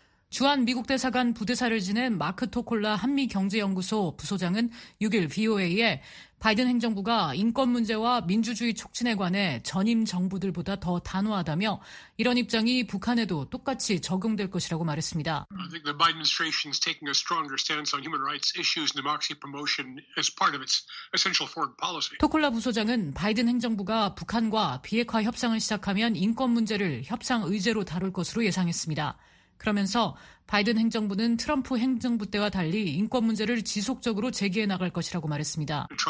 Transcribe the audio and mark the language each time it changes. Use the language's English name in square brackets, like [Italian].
[Korean] 주한 미국 대사관 부대사를 지낸 마크 토콜라 한미경제연구소 부소장은 6일 VOA에 바이든 행정부가 인권 문제와 민주주의 촉진에 관해 전임 정부들보다 더 단호하다며 이런 입장이 북한에도 똑같이 적용될 것이라고 말했습니다. [English] I think the Biden administration is taking a stronger stance on human rights issues and democracy promotion as part of its essential foreign policy. [Korean] 토콜라 부소장은 바이든 행정부가 북한과 비핵화 협상을 시작하면 인권 문제를 협상 의제로 다룰 것으로 예상했습니다. 그러면서 바이든 행정부는 트럼프 행정부 때와 달리 인권 문제를 지속적으로 제기해 나갈 것이라고 말했습니다.